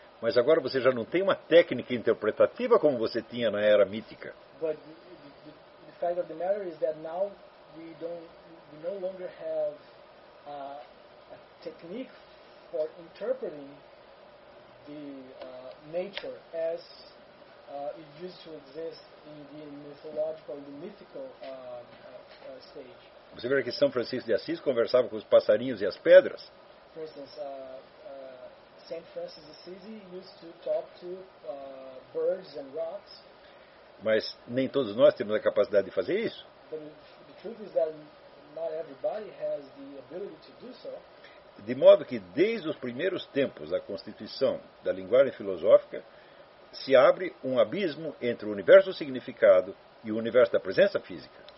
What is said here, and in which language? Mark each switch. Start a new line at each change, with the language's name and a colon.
Portuguese: Mas agora você já não tem uma técnica interpretativa como você tinha na era mítica.
English: But the fact of the matter is that now we no longer have a technique for interpreting the nature as it used to exist in the mythological, the mythical stage.
Portuguese: Você vê que São Francisco de Assis conversava com os passarinhos e as pedras?
English: For instance, Saint Francis de Assisi used to talk to birds and rocks.
Portuguese: Mas nem todos nós temos a capacidade de fazer isso.
English: But the truth is that not everybody has the ability to do so.
Portuguese: De modo que, desde os primeiros tempos da constituição da linguagem filosófica, se abre um abismo entre o universo do significado e o universo da presença física.